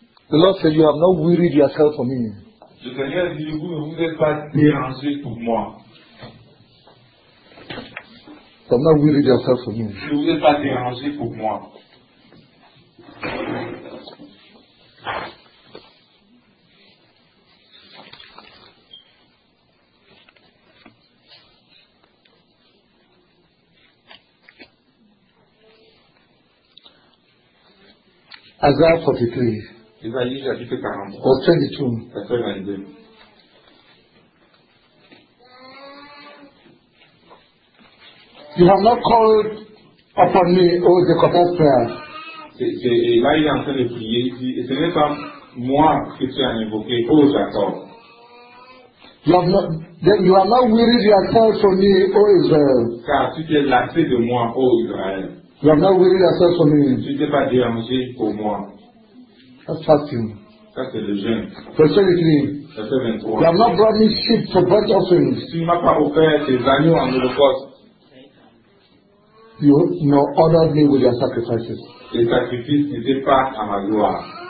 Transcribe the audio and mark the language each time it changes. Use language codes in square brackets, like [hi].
[en] The Lord said, "You have not wearied yourself for me." [fr] Je veux dire, vous ne vous êtes pas dérangé pour moi. [en] You have not wearied yourself for me. [fr] Je ne vous ai pas dérangé pour moi. [en] Isaiah 43. [fr] Isaiah chapitre 43. [en] Verse 22. [fr] Verset 22. [en] You have not called upon me, O Jacob, as prayer. [fr] C'est là il est en train de prier. Il dit, ce n'est pas moi que tu as invoqué, O Jacob. [en] You have not wearied yourself for me, O Israel. [fr] Car tu t'es lassé de moi, O Israël. [en] You have not wearied yourself for me. [fr] Tu t'es pas dérangé pour moi. [en] That's fasting. [fr] Ça c'est le jeûne. Verset 23. Verset 23. [en] You have not brought me sheep for burnt offerings. [fr] Tu ne m'as pas offert des agneaux en holocauste. [en] You know, honored me with your sacrifices. [fr] Les sacrifices n'étaient pas à ma gloire.